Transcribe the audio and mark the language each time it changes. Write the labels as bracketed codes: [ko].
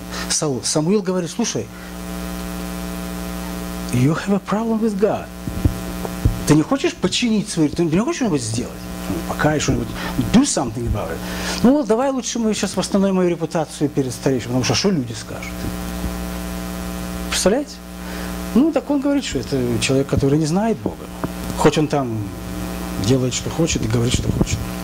[ru] Самуил говорит, слушай, [en] you have a problem with God. [ru] Ты не хочешь починить свою, ты не хочешь что-нибудь сделать? Пока что-нибудь, [en] do something about it. [ru] Ну, давай лучше мы сейчас восстановим мою репутацию перед старейшим, потому что что люди скажут? Представляете? Ну, так он говорит, что это человек, который не знает Бога. Хоть он там делает, что хочет, и говорит, что хочет.